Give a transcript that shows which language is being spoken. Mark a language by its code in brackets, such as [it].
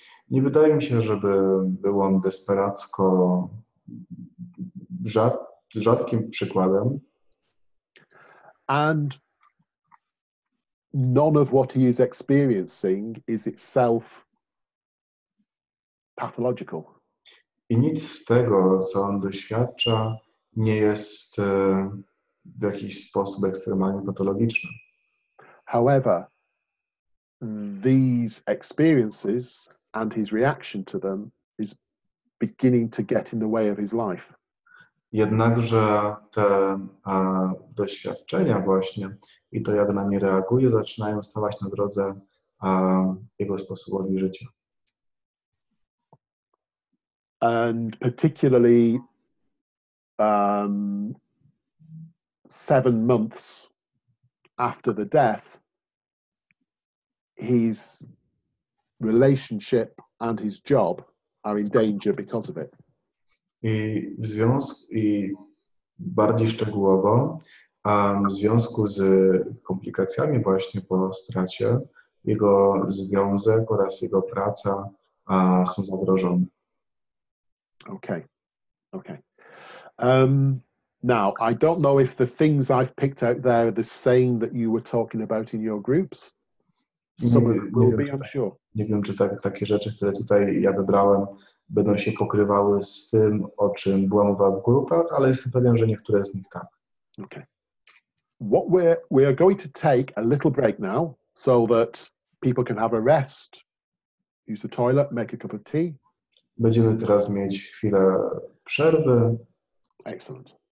[pl] Nie wydaje mi się, żeby był on desperacko rzadkim przykładem. [en] And none of what he is experiencing is itself pathological. [pl] I nic z tego, co on doświadcza, nie jest w jakiś sposób ekstremalnie patologiczny. [en] However, these experiences and his reaction to them is beginning to get in the way of his life. [pl] Jednakże te doświadczenia właśnie i to, jak na nie reaguje, zaczynają stawać na drodze jego sposobowi życia. [en] And particularly 7 months after the death, his relationship and his job are in danger because of it. [pl] I w związku i bardziej szczegółowo, w związku z komplikacjami właśnie po stracie, jego związek oraz jego praca są zagrożone. [en] Okay. Now, I don't know if the things I've picked out there are the same that you were talking about in your groups. [pl] Nie wiem, czy tak, takie rzeczy, które tutaj ja wybrałem, będą się pokrywały z tym, o czym była mowa w grupach, ale jestem pewien, że niektóre z nich tak. [en] Okay. What we are going to take a little break now, so that people can have a rest, use the toilet, make a cup of tea. [pl] Będziemy teraz mieć chwilę przerwy. [en] Excellent.